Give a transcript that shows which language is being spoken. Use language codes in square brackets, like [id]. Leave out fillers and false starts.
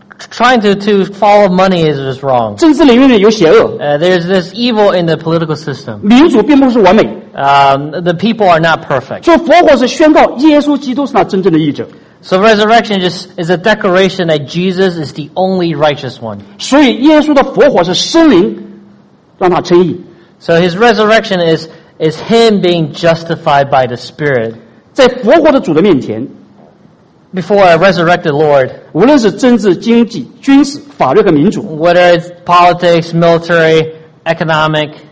[en] Trying to follow money is just wrong. [zh] 政治领域里有邪恶。 [en] There's this evil in the political system. [zh] 民主并不是完美。 [en] The people are not perfect. [zh] 就复活是宣告耶稣基督是那真正的义者。 [en] So resurrection just is a declaration that Jesus is the only righteous one. [zh] 所以耶稣的复活是圣灵让他称义。 [en] So his resurrection is him being justified by the Spirit. [zh] 在复活的主的面前。 [en] Before a resurrected Lord, [zh] 无论是政治、经济、军事、法律和民主 [en] ，whether it's politics, military, economic，